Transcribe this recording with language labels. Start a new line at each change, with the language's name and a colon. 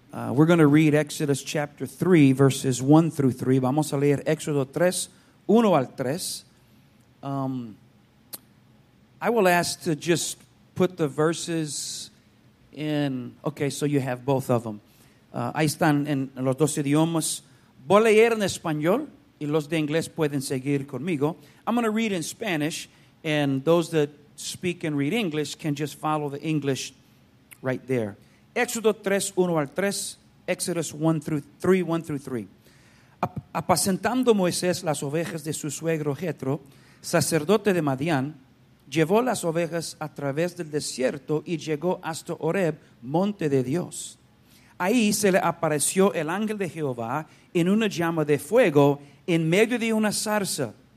English: We're going to read Exodus chapter 3, verses 1 through 3.
Spanish: Vamos a leer Éxodo 3, 1 al 3.
English: I will ask to just put the verses in. Okay, so you have both of them.
Spanish: Ahí están en los dos idiomas. Voy a leer en español y los de inglés pueden seguir conmigo.
English: I'm going to read in Spanish, and those that speak and read English can just follow the English right there.
Spanish: Éxodo 3, 1 al 3.
English: Exodus 1 through 3, 1 through 3.
Spanish: Apacentando Moisés las ovejas de su suegro Jetro, sacerdote de Madián, llevó las ovejas a través del desierto y llegó hasta Horeb, monte de Dios. Ahí se le apareció el ángel de Jehová en una llama de fuego en medio de una zarza.